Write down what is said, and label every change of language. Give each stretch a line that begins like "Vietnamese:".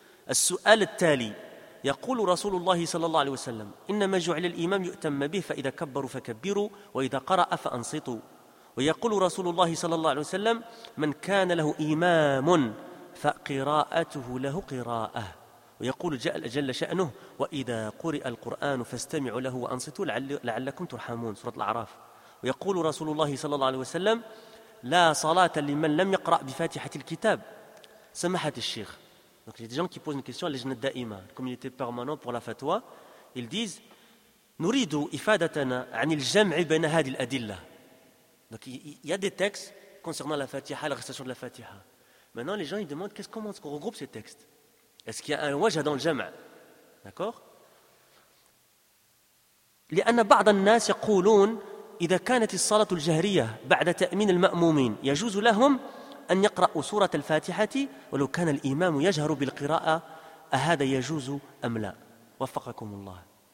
Arabic: السؤال التالي يقول رسول الله صلى الله عليه وسلم إنما جعل الإمام يؤتم به فإذا كبروا فكبروا وإذا قرأ فأنصتوا ويقول رسول الله صلى الله عليه وسلم من كان له إمام فقراءته له قراءة ويقول جل شأنه وإذا قرئ القرآن فاستمعوا له وأنصتوا لعلكم ترحمون سورة الأعراف ويقول رسول الله صلى الله عليه وسلم لا صلاة لمن لم يقرأ بفاتحة الكتاب سماحة الشيخ.
French: Donc il y a des gens qui posent une question à l'Ijna الدائمة, la communauté permanente pour la fatwa. Ils disent
Arabic: نريد إفادتنا عن الجمع بين هذه الأدلة.
French: Donc il y a des textes concernant la fatiha, la récitation de la fatiha. Maintenant, les gens ils demandent qu'est-ce, comment est-ce qu'on regroupe ces textes? Est-ce qu'il y a un wajah dans le jama'? D'accord?
Arabic: لأن بعض الناس يقولون إذا كانت الصلاة الجهرية بعد تأمين المأمومين يجوز لهم أن يقرأوا سورة الفاتحة ولو كان الإمام يجهر بالقراءة أهذا يجوز أم لا؟ وفقكم الله.